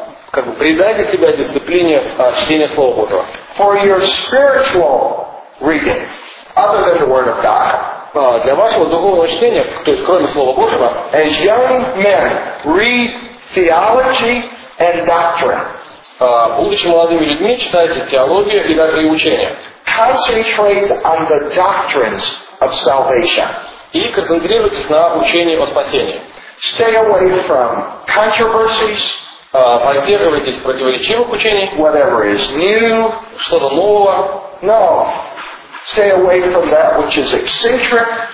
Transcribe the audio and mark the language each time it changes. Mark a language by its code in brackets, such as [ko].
[ru] Как бы придайте себя дисциплине чтения Слова Божьего. [en] For your spiritual reading, other than the Word of God. [ru] Для вашего духовного чтения, то есть кроме Слова Божьего, [en] as young men read theology and doctrine. [ru] Будучи молодыми людьми, читайте теологию и даже и учение. [en] Concentrate on the doctrines of salvation. [ru] И концентрируйтесь на учении о спасении. [en] Stay away from controversies. [ru] Воздерживайтесь противоречивых учений. [en] Whatever is new. [ru] Что-то нового. [en] No. Stay away from that which is eccentric.